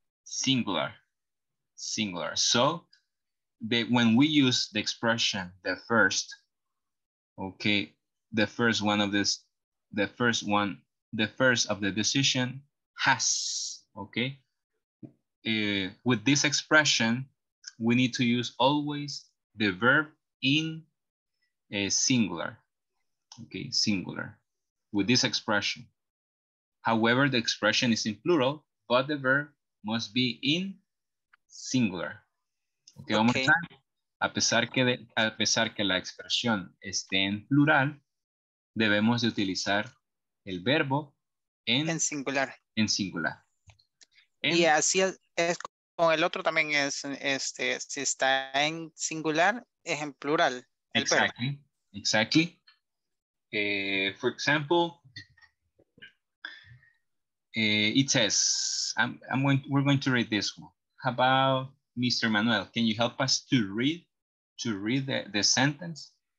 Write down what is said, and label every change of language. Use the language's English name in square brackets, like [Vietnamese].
[English] So when we use the expression the first of the decision has, okay, with this expression we need to use always the verb in a singular, okay, singular with this expression. However, the expression is in plural, but the verb must be in singular. [Spanish] Okay, okay. Vamos a ver. A pesar que la expresión esté en plural, debemos de utilizar el verbo en singular. En, y así es con el otro también, es este, si está en singular, es en plural. El [English] exactly, [Spanish] verbo. [English] Exactly. For example, it says, we're going to read this one. How about Mr. Manuel? Can you help us to read the sentence?